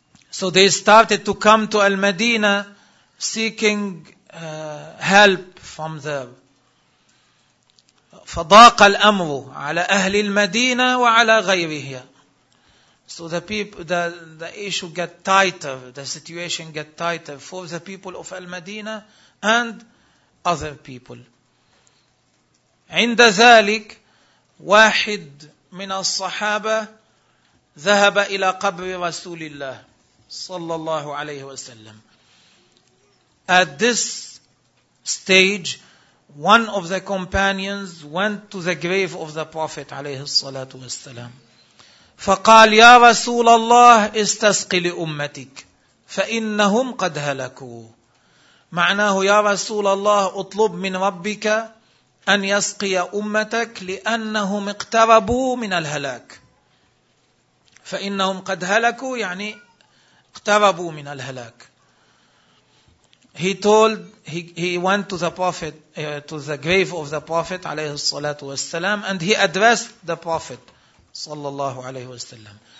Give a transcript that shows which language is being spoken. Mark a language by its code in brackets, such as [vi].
[en] So they started to come to Al-Madina seeking help from there. [ar] فضاق الأمر على أهل المدينة وعلى غيرها. [en] So the issue got tighter, the situation got tighter for the people of Al-Madina and other people. [ar] عند ذلك واحد من الصحابة ذهب إلى قبر رسول الله صلى الله عليه وسلم. [en] At this stage, one of the companions went to the grave of the Prophet [ar] عليه الصلاة والسلام. فقال يا رسول الله استسقي لأمتك فإنهم قد هلكوا. معناه يا رسول الله اطلب من ربك أن يسقي أمتك لأنهم اقتربوا من الهلاك. فإنهم قد هلكوا يعني اقتربوا من الهلاك. [en] He went to the Prophet to the grave of the Prophet [ar] عليه الصلاة والسلام [en] and he addressed the Prophet [ar] صلى الله عليه وسلم.